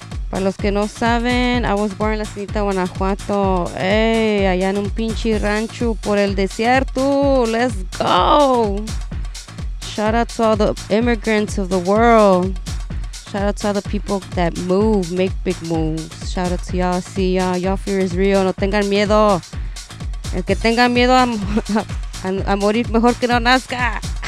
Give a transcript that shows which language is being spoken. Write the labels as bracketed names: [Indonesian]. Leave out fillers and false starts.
[Spanish] Para los que no saben, [English] I was born in La Haciendita Guanajuato. [Spanish] Hey, allá en un pinche rancho por el desierto. [English] Let's go. Shout out to all the immigrants of the world. Shout out to all the people that move, make big moves. Shout out to y'all. See y'all. Y'all fear is real. [Spanish] No tengan miedo. El que tenga miedo a morir, mejor que no nazca.